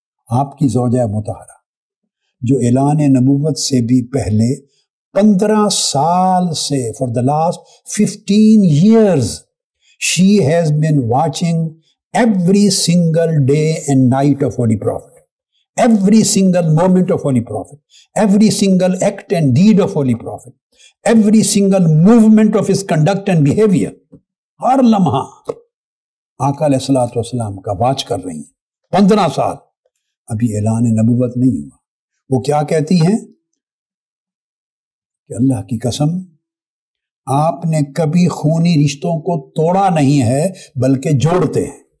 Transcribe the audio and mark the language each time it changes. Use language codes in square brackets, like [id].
[ur] آپ کی زوجہ مطہرہ جو اعلان نبوت سے بھی پہلے 15 سال سے, [en] for the last 15 years she has been watching every single day and night of Holy Prophet, Every single moment of Holy Prophet, every single act and deed of Holy Prophet, every single movement of his conduct and behavior, [ur] har lamha آقا علیہ الصلوۃ والسلام کا watch کر رہی ہیں. 15 سال ابھی اعلان نبوت نہیں ہوا. وہ کیا کہتی ہیں کہ اللہ کی قسم آپ نے کبھی خونی رشتوں کو توڑا نہیں ہے بلکہ جوڑتے ہیں.